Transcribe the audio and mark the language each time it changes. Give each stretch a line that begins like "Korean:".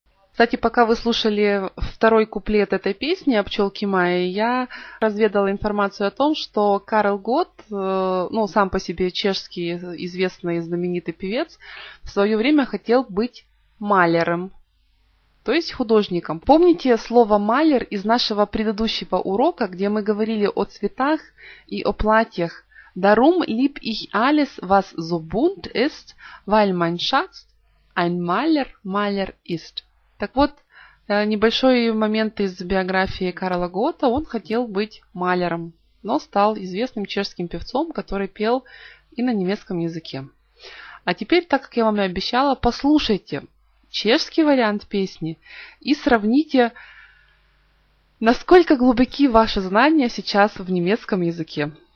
Russian: Кстати, пока вы слушали второй куплет этой песни о пчелке Майе, я разведала информацию о том, что Карл Готт, ну, сам по себе чешский известный и знаменитый певец, в свое время хотел быть малером, то есть художником. Помните слово «малер» из нашего предыдущего урока, где мы говорили о цветах и о платьях?
German: «Darum lieb ich alles, was so bunt ist, weil mein Schatz ein Maler, Maler ist».
Russian: Так вот, небольшой момент из биографии Карла Готта. Он хотел быть малером, но стал известным чешским певцом, который пел и на немецком языке. А теперь, так как я вам и обещала, послушайте чешский вариант песни и сравните, насколько глубоки ваши знания сейчас в немецком языке.